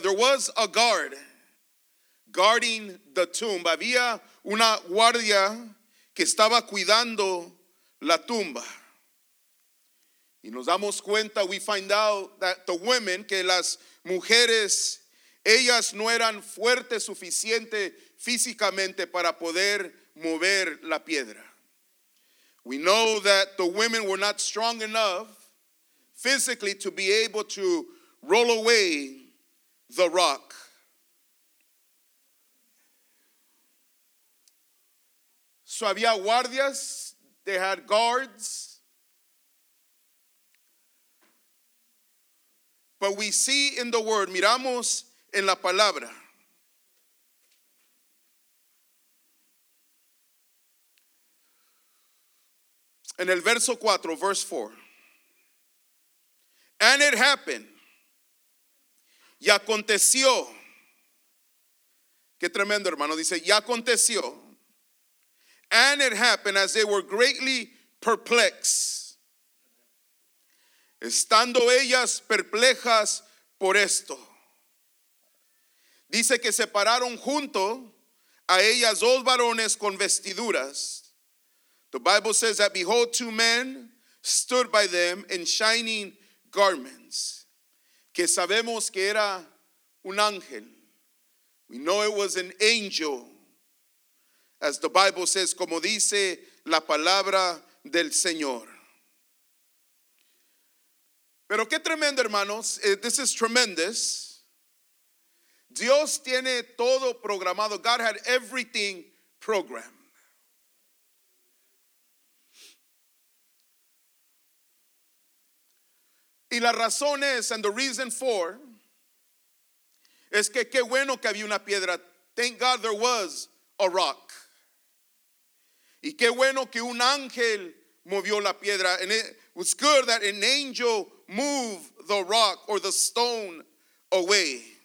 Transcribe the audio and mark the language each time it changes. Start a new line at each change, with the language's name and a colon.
English: There was a guard guarding the tomb.
Spanish: Había una guardia que estaba cuidando la tumba. Y nos damos cuenta,
English: we find out that the women,
Spanish: que las mujeres, ellas no eran fuertes suficiente físicamente para poder mover la piedra.
English: We know that the women were not strong enough physically to be able to roll away the rock. So
Spanish: había guardias,
English: they had guards. But we see in the word,
Spanish: miramos en la palabra, en el verso 4,
English: verse 4. And it happened.
Spanish: Y aconteció. Qué tremendo, hermano. Dice, y aconteció.
English: And it happened as they were greatly perplexed.
Spanish: Estando ellas perplejas por esto. Dice que se pararon junto a ellas dos varones con vestiduras.
English: The Bible says that behold, two men stood by them in shining garments.
Spanish: Que sabemos que era un ángel.
English: We know it was an angel. As the Bible says,
Spanish: como dice la palabra del Señor. Pero qué tremendo, hermanos.
English: This is tremendous.
Spanish: Dios tiene todo programado.
English: God had everything programmed.
Spanish: Y la razón es,
English: and the reason for,
Spanish: es que qué bueno que había una piedra.
English: Thank God there was a rock.
Spanish: Y qué bueno que un ángel movió la piedra.
English: And it was good that an angel moved the rock or the stone away.